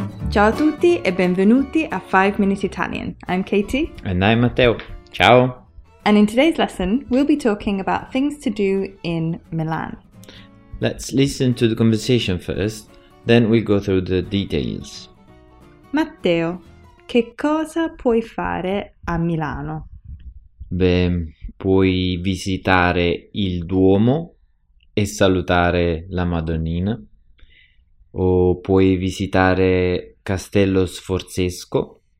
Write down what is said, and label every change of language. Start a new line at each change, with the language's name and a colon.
Italian: Ciao a tutti e benvenuti a 5 Minute Italian.
English: I'm Katie. And I'm Matteo. Ciao! And in today's lesson, we'll be talking about things to do in Milan. Let's listen to the conversation first, then we'll go through the details.
Italian: Matteo, che cosa puoi fare a Milano? Beh, puoi visitare il Duomo e salutare la Madonnina. O puoi visitare Castello Sforzesco.